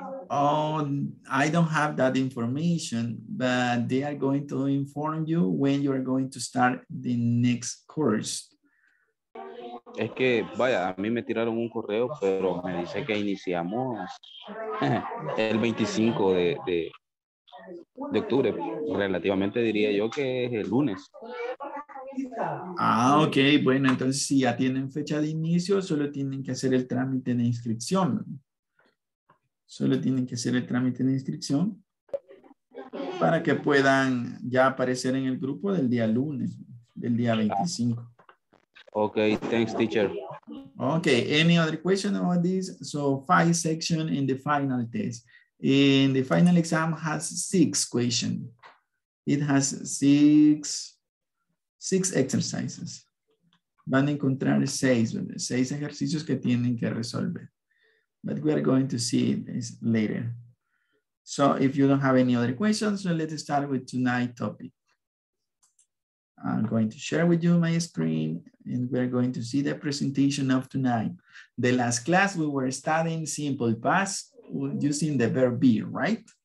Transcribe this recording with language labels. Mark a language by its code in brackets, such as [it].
[en] Oh, I don't have that information, but they are going to inform you when you are going to start the next course. [es] Es que, vaya, a mí me tiraron un correo, pero me dice que iniciamos el 25 de octubre. Relativamente diría yo que es el lunes. Ah, ok. Bueno, entonces si ya tienen fecha de inicio, solo tienen que hacer el trámite de inscripción. Solo tienen que hacer el trámite de inscripción para que puedan ya aparecer en el grupo del día lunes, del día 25. Ah. [en] Okay, thanks, teacher. Okay, any other question about this? So 5 sections in the final test. And the final exam has 6 questions. It has six exercises. [es] Van a encontrar 6 ejercicios que tienen que resolver. [en] But we are going to see this later. So if you don't have any other questions, so let's start with tonight's topic. I'm going to share with you my screen and we're going to see the presentation of tonight. The last class we were studying simple past using the verb be, right?